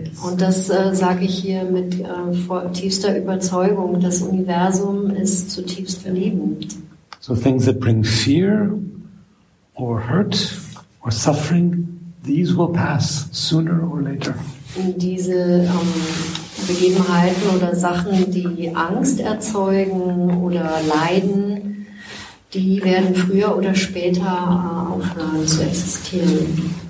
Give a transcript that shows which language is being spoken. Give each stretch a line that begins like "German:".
German: Und das sage ich hier mit tiefster Überzeugung. Das Universum ist zutiefst liebend.
English: So things that bring fear or hurt or suffering, these will pass sooner or later.
German: Und diese Begebenheiten oder Sachen, die Angst erzeugen oder Leiden, die werden früher oder später aufhören zu existieren.